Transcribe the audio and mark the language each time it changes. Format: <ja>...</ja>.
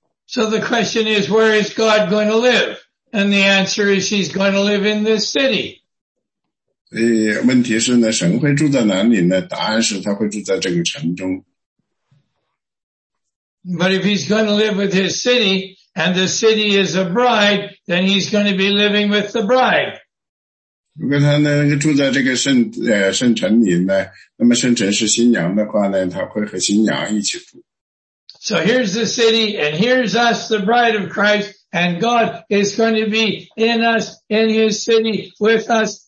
<en>So the question is, where is God going to live? And the answer is, he's going to live in this city.</en> <zh>问题是呢, 神会住在哪里呢?答案是他会住在这个城中。</zh> <en>But if he's going to live with his city, and the city is a bride, then he's going to be living with the bride.</en> <zh>如果他呢,住在这个圣城里呢, 那么圣城是新娘的话呢, 他会和新娘一起住。</zh> <en>So here's the city, and here's us, the bride of Christ, and God is going to be in us, in his city, with us.</en>